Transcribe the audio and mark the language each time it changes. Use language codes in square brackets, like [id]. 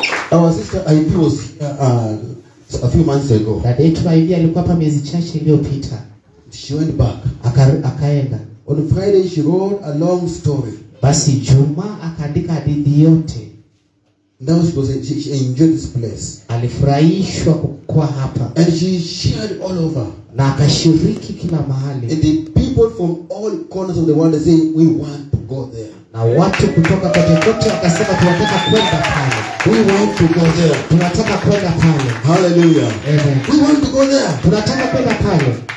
[en] Our sister IP was a few months ago. [sw] That day to IP alikuwa hapa miezi chache iliyopita. [en] She went back. [sw] Akaenda. [en] On Friday she wrote a long story. [sw] Basi Juma akaandika hadithi yote. [en] Now she was she enjoyed this place. [sw] Alifurahishwa kwa hapa. [en] And she shared all over. [sw] Na akashiriki kila mahali. [en] And the people from all corners of the world are saying we want to go there. [sw] Na watu kutoka kote kote wakasema tunataka kwenda pale. [en] We want to go there. [sw] Tunataka kwenda pale. [en] Hallelujah. Amen. We want to go there. [sw] Tunataka kwenda pale.